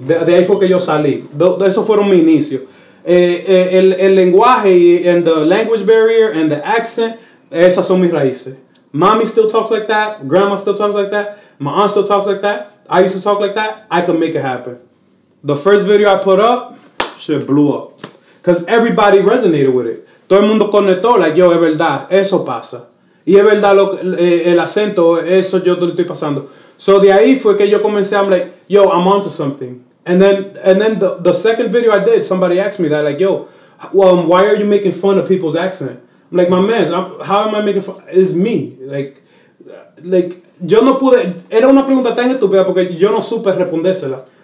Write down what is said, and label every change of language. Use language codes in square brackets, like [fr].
[es] De ahí fue que yo salí. Eso fueron mi inicio. El lenguaje [en] and the language barrier and the accent, [es] esas son mis raíces. [en] Mommy still talks like that. Grandma still talks like that. My aunt still talks like that. I used to talk like that. I can make it happen. The first video I put up, shit blew up. Because everybody resonated with it. [es] Todo el mundo conectó, like, yo, es verdad, eso pasa. Y es verdad lo, el acento, eso yo lo estoy pasando. [en] So [es] de ahí fue que yo comencé, [en] I'm like, yo, I'm onto something. And then the second video I did, somebody asked me that, like, yo, why are you making fun of people's accent? I'm like, my man, how am I making fun? It's me. Like, [es] yo no pude, era una pregunta tan estúpida porque yo no supe respondérsela.